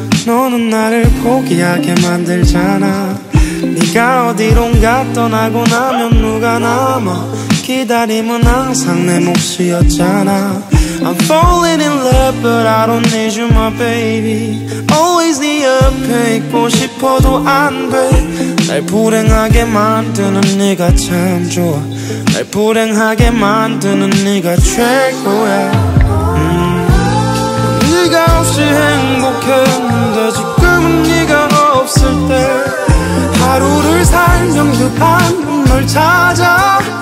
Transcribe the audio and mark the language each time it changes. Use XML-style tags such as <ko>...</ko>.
<ko>너는 나를 포기하게 만들잖아. 네가 어디론가 떠나고 나면 누가 남아. 기다림은 항상 내 몫이었잖아.</ko> <en>I'm falling in love but I don't need you my baby. Always</en> <ko>네 옆에 있고 싶어도 안 돼. 날 불행하게 만드는 네가 참 좋아. 날 불행하게 만드는 네가 최고야. 네가 없이 행복했는데 지금은 네가 없을 때 하루를 살면 급한 걸 찾아.</ko>